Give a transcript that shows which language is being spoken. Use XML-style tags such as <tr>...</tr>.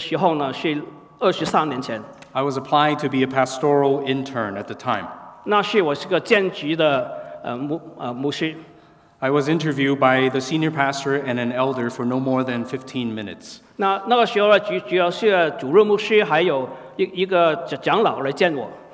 <zh>我上去了那个面见的时候呢，是23年前。</zh> <en>I was applying to be a pastoral intern at the time.</en> <zh>那是我是个兼职的牧师。</zh> <en>I was interviewed by the senior pastor and an elder for no more than 15 minutes.</en> <zh>那个时候呢，主要是主任牧师还有一个长老来见我。</zh>